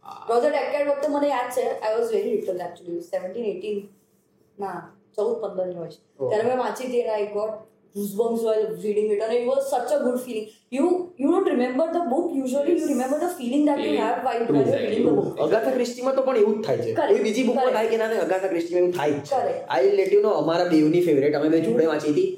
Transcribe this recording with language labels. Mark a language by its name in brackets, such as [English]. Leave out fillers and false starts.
[Gujarati] Roger એકર્ડ વખતે મને યાદ છે [English] I was very little actually [Gujarati] 17 18 ના 14 15 ની વર્ષ ત્યારે મેં વાંચી હતી [English] I got goosebumps while reading it and it was such a good feeling. You don't remember the book usually, yes. You remember the feeling that you have while you are reading the book. [Gujarati] Agatha Christie માં તો પણ એવું જ થાય છે. એ બીજી બુકમાં થાય કે ના થાય Agatha Christie માં એવું થાય છે. [English] Correct. I'll let you know [Gujarati] અમારા બેયુની ફેવરેટ અમે બે જોડે વાંચી હતી